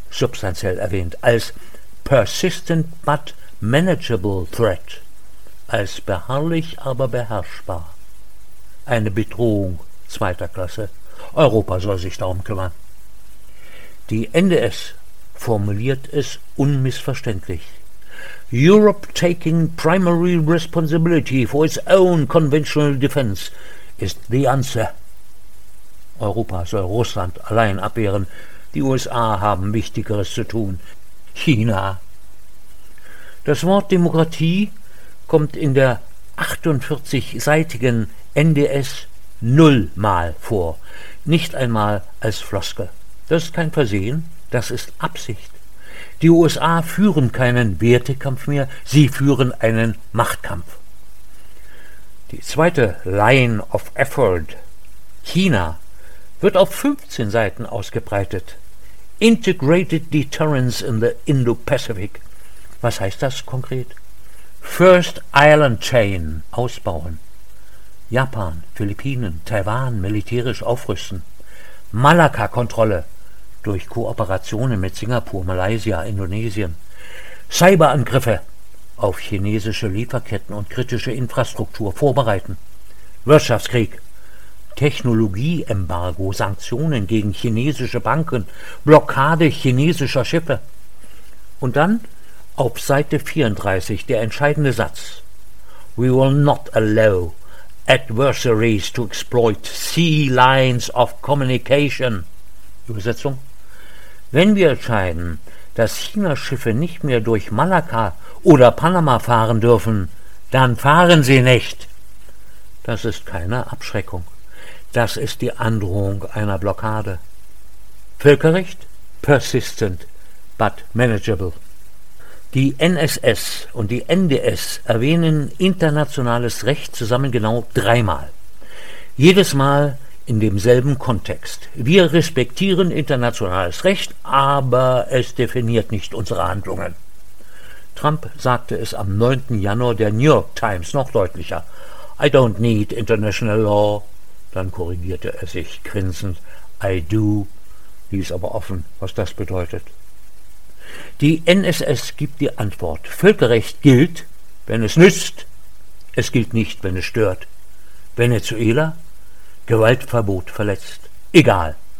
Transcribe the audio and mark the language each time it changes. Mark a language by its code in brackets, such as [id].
[de] substanziell erwähnt, als [en] persistent but manageable threat, [de] als beharrlich aber beherrschbar. Eine Bedrohung zweiter Klasse. Europa soll sich darum kümmern. Die NDS formuliert es unmissverständlich. [en] Europe taking primary responsibility for its own conventional defense is the answer. [de] Europa soll Russland allein abwehren. Die USA haben Wichtigeres zu tun. China. Das Wort Demokratie kommt in der 48-seitigen NDS nullmal vor. Nicht einmal als Floskel. Das ist kein Versehen, das ist Absicht. Die USA führen keinen Wertekampf mehr, sie führen einen Machtkampf. Die zweite Line of Effort, China, wird auf 15 Seiten ausgebreitet. [en] Integrated Deterrence in the Indo-Pacific. [de] Was heißt das konkret? First Island Chain ausbauen. Japan, Philippinen, Taiwan militärisch aufrüsten. Malakka-Kontrolle durch Kooperationen mit Singapur, Malaysia, Indonesien. Cyberangriffe auf chinesische Lieferketten und kritische Infrastruktur vorbereiten. Wirtschaftskrieg. Technologieembargo, Sanktionen gegen chinesische Banken, Blockade chinesischer Schiffe. Und dann auf Seite 34 der entscheidende Satz. [en] We will not allow adversaries to exploit sea lines of communication. [de] Übersetzung. Wenn wir entscheiden, dass China-Schiffe nicht mehr durch Malakka oder Panama fahren dürfen, dann fahren sie nicht. Das ist keine Abschreckung. Das ist die Androhung einer Blockade. Völkerrecht? [en] Persistent, but manageable. [de] Die NSS und die NDS erwähnen internationales Recht zusammen genau dreimal. Jedes Mal in demselben Kontext. Wir respektieren internationales Recht, aber es definiert nicht unsere Handlungen. Trump sagte es am 9. Januar der New York Times noch deutlicher. [en] I don't need international law. [de] Dann korrigierte er sich grinsend. [en] I do. [de] Ließ aber offen, was das bedeutet. Die NSS gibt die Antwort. Völkerrecht gilt, wenn es nützt. Es gilt nicht, wenn es stört. Venezuela? Gewaltverbot verletzt. Egal.